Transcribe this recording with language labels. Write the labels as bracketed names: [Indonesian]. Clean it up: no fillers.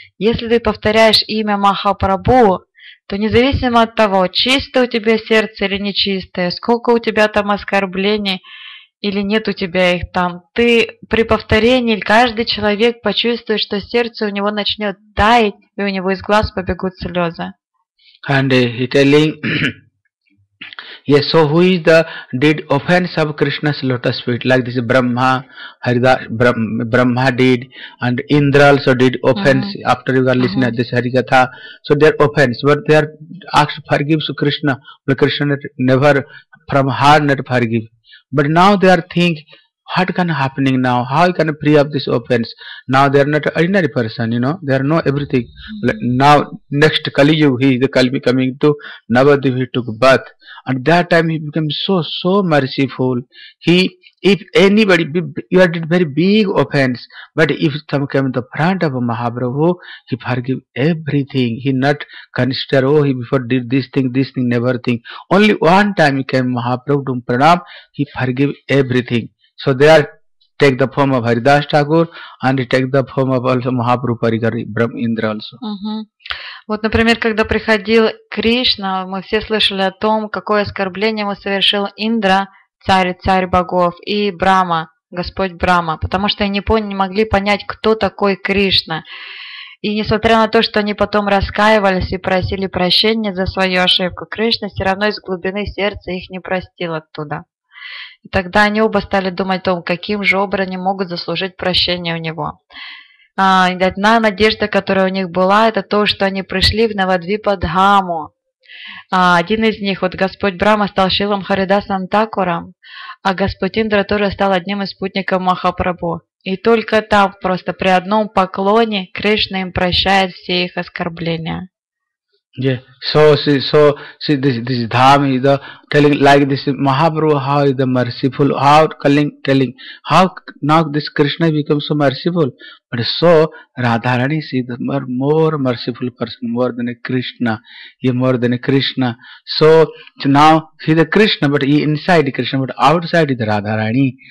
[Russian] Если ты повторяешь имя Махапрабху, то независимо от того, чисто у тебя сердце или нечистое, сколько у тебя там оскорблений, или нет у тебя их там, ты при повторении каждый человек почувствует, что сердце у него начнет таять, и у него из глаз побегут слезы. [English] And he telling, Yes, so who is the did offense of Krishna's lotus feet? Like this Brahma, Haridas, Brahma did, and Indra also did offense after you are listening at this Harikatha. So they are offense, but they are asked forgive to Krishna, but Krishna never from heart not forgive. But now they are thinking, what can happening now? How you can free up this offense? Now they are not ordinary person, you know. They are know everything. Now next Kali Yuga, he is the Kali coming to Navadvip, he took birth. And that time he became so merciful. He, if anybody, you did very big offense, but if some came to the front of Mahaprabhu, he forgive everything. He not consider, oh, he before did this thing, never think. Only one time he came Mahaprabhu to pranam, he forgive everything. So they are take the form of Haridas Thakur and take the form of also Mahaprabhu Parigari, Brahm Indra also. [Russian] Вот, например, когда приходил Кришна, мы все слышали о том, какое оскорбление ему совершил Индра, царь богов, и Брама, Господь Брама, потому что они не могли понять, кто такой Кришна. И несмотря на то, что они потом раскаивались и просили прощения за свою ошибку, Кришна все равно из глубины сердца их не простил оттуда. И тогда они оба стали думать о том, каким же образом могут заслужить прощение у него. Одна надежда, которая у них была, это то, что они пришли в Навадвипа-дхаму. Один из них, вот Господь Брама, стал Шилом Харидасом Такуром, а Господь Индра тоже стал одним из спутников Махапрабху. И только там, просто при одном поклоне, Кришна им прощает все их оскорбления. [English] Yeah, so see this dham is the telling like this Mahaprabhu, how is the merciful, how telling how now this Krishna becomes so merciful, but so Radharani is the more merciful person, more than a Krishna, so now see the Krishna, but he inside Krishna, but outside is Radharani.